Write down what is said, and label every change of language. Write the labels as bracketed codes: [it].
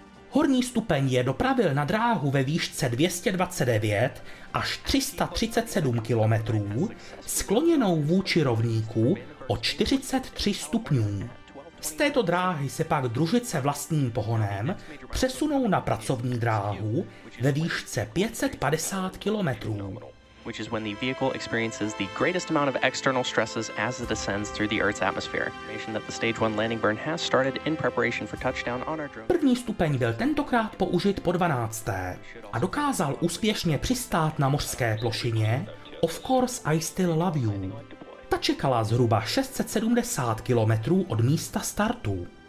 [cs] Horní stupeň je dopravil na dráhu ve výšce 229 až 337 km, skloněnou vůči rovníku o 43 stupňů. Z této dráhy se pak družice vlastním pohonem přesunou na pracovní dráhu ve výšce 550 km. [en] Which is when the vehicle experiences the greatest amount of external stresses as it descends through the Earth's atmosphere. Information that the stage 1 landing burn has started in preparation for touchdown on our drone. [cs] První stupeň byl tentokrát použit po 12. a dokázal úspěšně přistát na mořské plošině Of course I still love you. Ta čekala zhruba 670 km od místa startu.